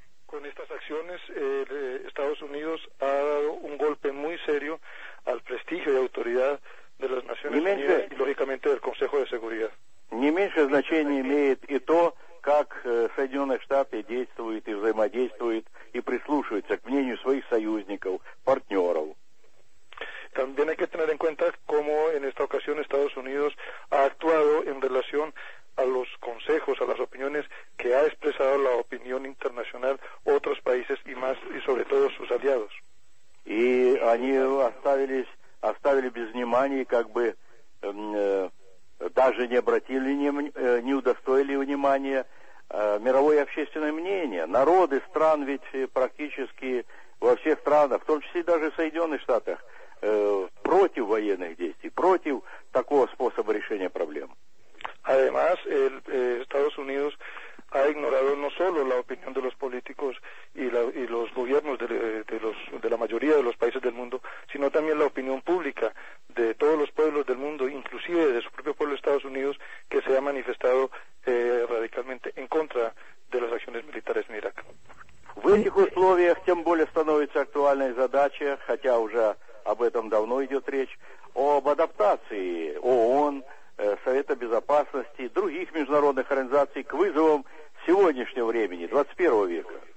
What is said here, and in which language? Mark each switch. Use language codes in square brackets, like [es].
[es] Con estas acciones, Estados Unidos ha dado un golpe muy serio al prestigio y autoridad de las Naciones Unidas y, lógicamente, del Consejo de Seguridad. [ru] Не меньшее значение имеет и то, как Соединенные Штаты действуют и взаимодействуют и прислушиваются к мнению своих союзников, партнеров. [es] También hay que tener en cuenta cómo en esta ocasión Estados Unidos ha actuado en relación a los consejos, a las opiniones que ha expresado la opinión internacional, otros países y más, y sobre todo sus aliados. [ru] Y они оставили без внимания, как бы даже не обратили, не удостоили внимания мировое общественное мнение. Народы стран ведь практически во всех странах, в том числе даже в Соединенных Штатах, против военных действий, против такого способа решения проблем. [es] Además, Estados Unidos ha ignorado no solo la opinión de los políticos y los gobiernos de la mayoría de los países del mundo, sino también la opinión pública de todos los pueblos del mundo, inclusive de su propio pueblo de Estados Unidos, que se ha manifestado radicalmente en contra de las acciones militares en Irak. [ru] В этих условиях тем более становится актуальной задача, хотя уже об этом давно идет речь, об адаптации ООН, Совета Безопасности, других международных организаций к вызовам сегодняшнего времени, 21 века.